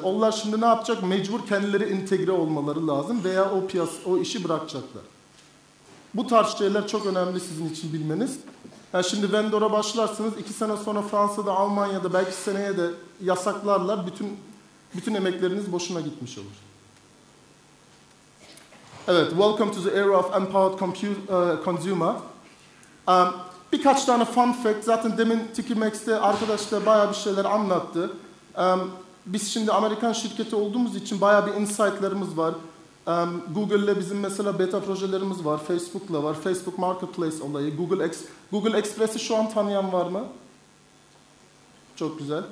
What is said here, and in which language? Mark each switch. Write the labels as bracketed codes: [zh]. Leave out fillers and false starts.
[tr] Onlar şimdi ne yapacak? Mecbur kendileri entegre olmaları lazım veya o işi bırakacaklar. Bu tarz şeyler çok önemli sizin için bilmeniz. Yani şimdi vendora başlarsanız 2 sene sonra Fransa'da, Almanya'da belki seneye de yasaklarlar. Bütün emekleriniz boşuna gitmiş olur. Evet, [en] welcome to the era of empowered consumer. [tr] Birkaç tane [en] fun fact. [tr] Zaten demin TikiMax'te arkadaşlar bayağı bir şeyler anlattı. Biz şimdi Amerikan şirketi olduğumuz için bayağı bir insight'larımız var. Google'le bizim mesela beta projelerimiz var. Facebook'la var. Facebook Marketplace olayı. Google Express'i şu an tanıyan var mı? Çok güzel.